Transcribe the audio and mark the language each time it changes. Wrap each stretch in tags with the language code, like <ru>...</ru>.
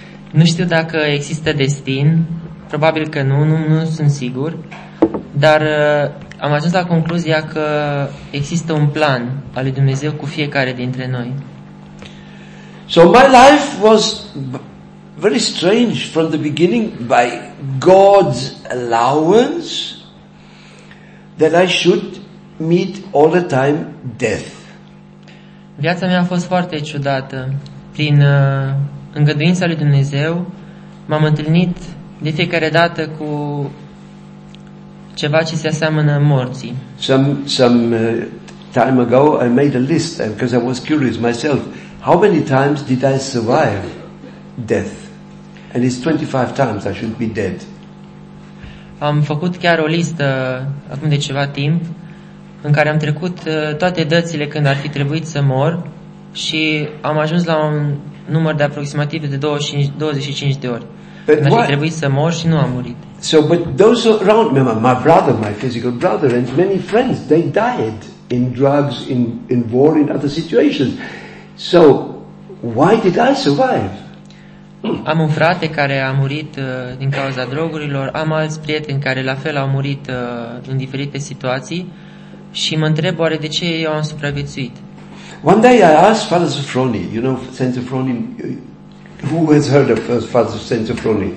<ro>Nu știu dacă există destin. Probabil că nu sunt sigur. Dar am ajuns la concluzia că există un plan al lui Dumnezeu cu fiecare dintre noi.</ro> <en>So my life was very strange from the beginning by God's allowance that I should meet all the time death.</en> <ro>Viața mea a fost foarte ciudată. Prin îngăduința lui Dumnezeu m-am întâlnit de fiecare dată cu ceva ce se aseamănă morții.</ro> <en>Some time ago I made a list because I was curious myself, how many times did I survive death? And it's 25 times I should be dead.</en> <ro>Am făcut chiar o listă acum de ceva timp în care am trecut toate dățile când ar fi trebuit să mor și am ajuns la un număr de aproximativ de 25 de ori.</ro> <en>But</en> <ro>adică</ro> <en>what?</en> <ro>Trebuie să mor și nu a murit.</ro> <en>So, but those around me, my brother, my physical brother, and many friends, they died in drugs, in war, in other situations. So, why did I survive?</en> <ro>Am un frate care a murit din cauza drogurilor, am alți prieteni care la fel au murit în diferite situații și mă întreb oare de ce eu am supraviețuit.</ro> <en>One day I asked Father Sofroni, you know, Saint Sofroni, who has heard of Father Saint Sofroni?</en>